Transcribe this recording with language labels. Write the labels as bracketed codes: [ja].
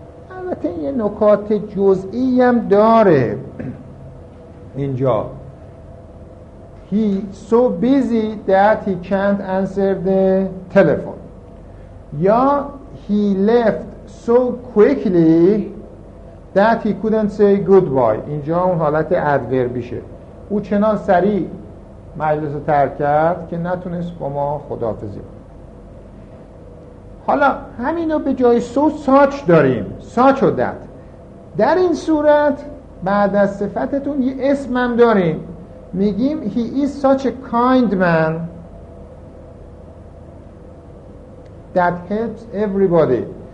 [fa] البته یه نکات جزئی هم داره اینجا. [en] he so busy that he can't answer the telephone. یا he left so quickly that he couldn't say goodbye. [fa] اینجا اون حالت ادوربیشه. او چنان سریع مجلس رو ترک کرد که نتونست با ما خداحافظی کنه. حالا همینو به جای صوت ساچ داریم، ساچ و دت. در این صورت بعد از صفتتون یه اسم هم داریم، میگیم [en] he is such a kind man that helps everybody.